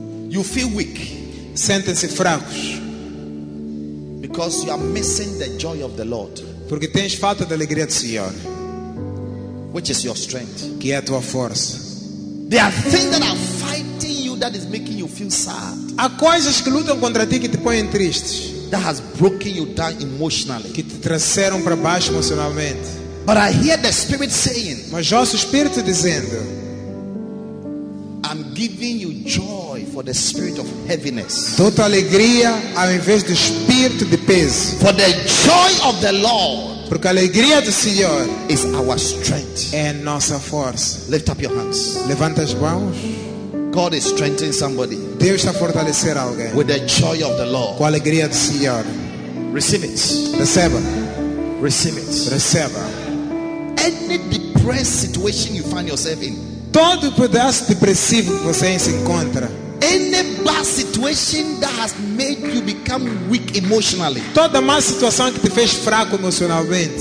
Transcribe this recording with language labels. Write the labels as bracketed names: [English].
[English] You feel weak. [Portuguese] Sentem-se fracos. [English] Because you are missing the joy of the Lord. [Portuguese] Porque tens falta da alegria do Senhor. [English] Which is your strength. [Portuguese] Que é a tua força. [English] There are things that are that is making you feel sad. [Portuguese] Há coisas que lutam contra ti que te põem tristes. [English] That has broken you down emotionally. [Portuguese] Que te trouxeram para baixo emocionalmente. [English] But I hear the Spirit saying. [Portuguese] Mas ouço o Espírito dizendo. [English] I'm giving you joy for the spirit of heaviness. [Portuguese] Dou-te alegria ao invés do espírito de peso. [English] For the joy of the Lord. [Portuguese] Porque a alegria do Senhor [English] is our strength. [Portuguese] É nossa força. [English] Lift up your hands. [Portuguese] Levanta as mãos. [English] God is strengthening somebody. [Portuguese] Deus está fortalecendo alguém. [English] With the joy of the Lord. [Portuguese] Com a alegria do Senhor. [English] Receive it. [Portuguese] Receba. [English] Receive it. [Portuguese] Receba. [English] Any depressed situation you find yourself in. [Portuguese] Todo pedaço depressivo que você se encontra. [English] Any bad situation that has made you become weak emotionally. [Portuguese] Toda má situação que te fez fraco emocionalmente.